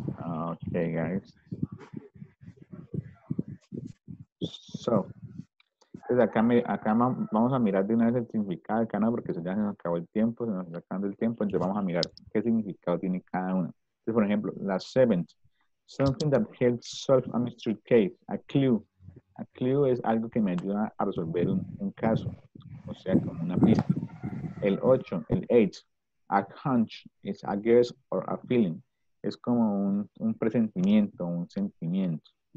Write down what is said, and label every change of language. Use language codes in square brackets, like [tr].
[en] Okay, guys. [es] So, desde acá vamos a mirar de una vez el significado de cada uno porque ya se nos acabó el tiempo, se nos está acabando el tiempo, entonces vamos a mirar qué significado tiene cada uno. Entonces, por ejemplo, la seventh. [en] Something that helps solve a mystery case, a clue. [es] A clue es algo que me ayuda a resolver un caso, o sea, como una pista. [en] El 8, el 8, a hunch, is a guess or a feeling. [es] Es como un presentimiento, un sentimiento.